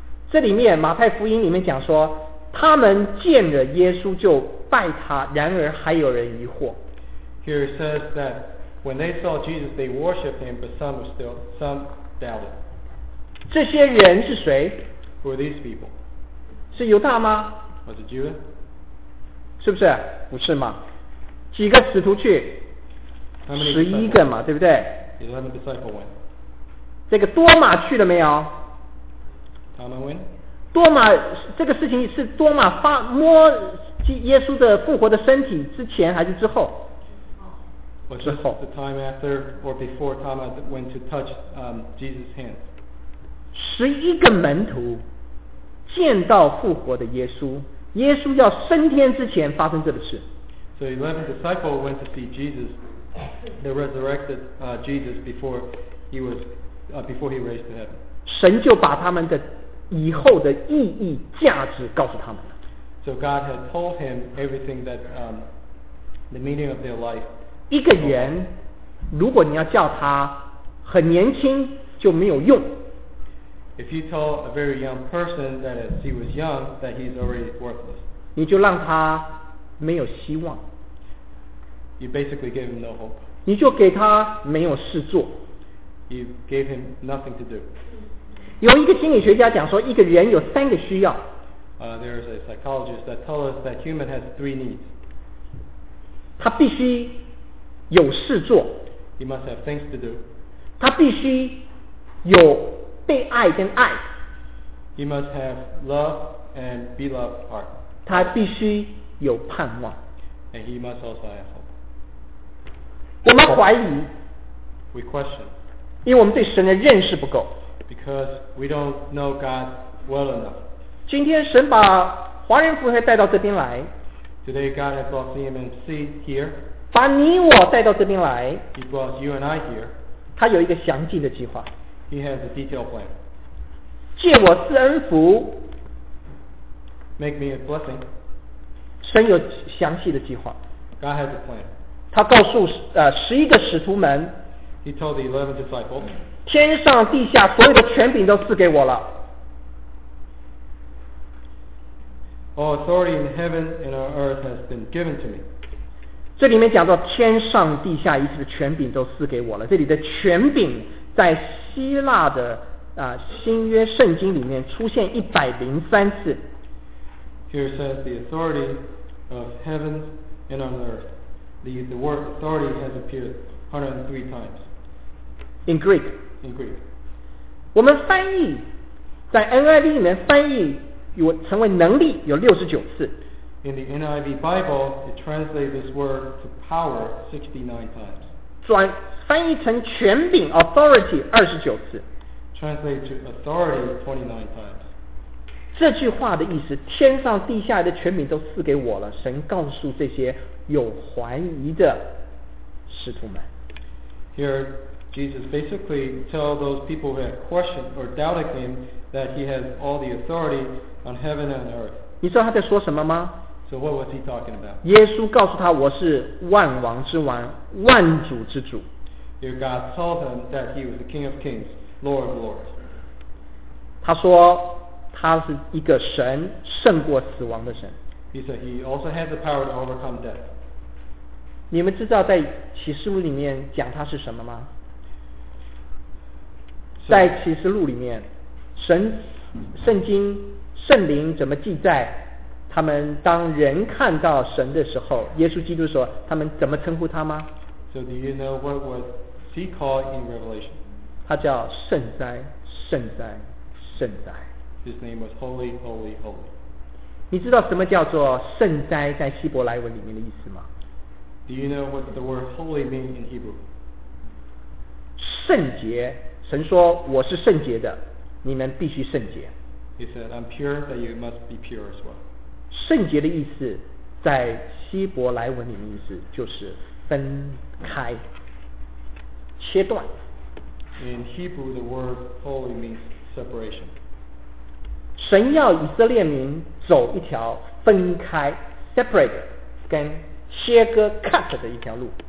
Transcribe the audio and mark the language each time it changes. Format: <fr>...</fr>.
<zh>这里面马太福音里面讲说他们见了耶稣就拜他，然而还有人疑惑。</zh> <en>Here it says that when they saw Jesus, they worshipped him, but some doubted.</en> <zh>这些人是谁？</zh> <en>Who are these people?</en> <zh>是犹大吗？</zh> <en>Was it Judas?</en> <zh>是不是？不是吗？几个使徒去？十一个嘛，对不对？</zh> <en>Eleven disciples went.</en> <zh>这个多马去了没有？</zh> <en>Thomas went.</en> <zh>多马这个事情是多马发摸耶稣的复活的身体之前还是之后？之后。</zh> <en>The time after or before Thomas went to touch Jesus' hands.</en> <zh>十一个门徒见到复活的耶稣，耶稣要升天之前发生这个事。</zh> <en>So 11 disciples went to see Jesus the resurrected Jesus before he was before he raised to heaven.</en> <zh>神就把他们的以后的意义价值告诉他们了。</zh> <en>So God had told him everything that the meaning of their life.</en> <zh>一个人如果你要叫他很年轻就没有用。</zh> <en>If you tell a very young person that as he was young, that he's already worthless.</en> <zh>你就让他没有希望。</zh> <en>You basically gave him no hope.</en> <zh>你就给他没有事做。</zh> <en>You gave him nothing to do.</en> <zh>有一个心理学家讲说，一个人有三个需要。</zh> <en>There's a psychologist that tells us that human has three needs.</en> <zh>他必须有事做。</zh> <en>He must have things to do.</en> <zh>他必须有被爱跟爱。</zh> <en>He must have love and be loved part.</en> <zh>他必须有盼望。</zh> <en>And he must also have hope.</en> <zh>我们怀疑。</zh> <en>We question.</en> <zh>因为我们对神的认识不够。</zh> <en>Because we don't know God well enough.</en> <zh>今天神把华人福音带到这边来。</zh> <en>Today God has brought CMMC here.</en> <zh>把你我带到这边来。</zh> <en>He brought you and I here.</en> <zh>他有一个详尽的计划。</zh> <en>He has a detailed plan.</en> <zh>借我赐恩福。</zh> <en>Make me a blessing.</en> <zh>神有详细的计划。</zh> <en>God has a plan.</en> <zh>他告诉十一个使徒们。</zh> <en>He told the 11 disciples.</en> <zh>天上地下所有的权柄都赐给我了。</zh> <en>All authority in heaven and on earth has been given to me.</en> <zh>这里面讲到天上地下一切的权柄都赐给我了。这里的权柄在希腊的新约圣经里面出现103次。</zh> <en>Here says the authority of heaven and on earth. The word authority has appeared 103 times. In Greek. In Greek.</en> <zh>我们翻译在 NIV 里面翻译有成为能力有69次。</zh> <en>In the NIV Bible, it translates this word to power 69 times.</en> <zh>转翻译成权柄</zh> <en>authority</en> <zh>29次</zh> <en>translate to authority 29 times</en> <zh>这句话的意思天上地下的权柄都赐给我了神告诉这些有怀疑的使徒们</zh> <en>here Jesus basically tell those people who have questioned or doubted him that he has all the authority on heaven and earth</en> <zh>你知道他在说什么吗</zh> <en>So what was he talking about?</en> <zh>耶稣告诉他我是万王之王万主之主</zh> <en>Here God told him that he was the king of kings Lord of lords</en> <zh>他说他是一个神胜过死亡的神</zh> <en>He said he also has the power to overcome death</en> <zh>你们知道在启示录里面讲他是什么吗</zh> <en>so,</en> <zh>在启示录里面神圣经圣灵怎么记载他们当人看到神的时候，耶稣基督说：“他们怎么称呼他吗？”</zh> <en>So do you know what was he called in Revelation?</en> <zh>他叫圣哉，圣哉，圣哉。</zh> <en>His name was Holy, Holy, Holy.</en> <zh>你知道什么叫做圣哉在希伯来文里面的意思吗</zh> <en>？Do you know what the word holy means in Hebrew?</en> <zh>圣洁，神说我是圣洁的，你们必须圣洁。</zh> <en>He said, "I'm pure, that you must be pure as well."</en> <zh>圣洁的意思在希伯来文里面意思就是分开切断</zh> <en>In Hebrew the word holy means separation</en> <zh>神要以色列民走一条分开</zh> <en>separate</en> <zh>跟切割</zh> <en>cut</en> <zh>的一条路</zh>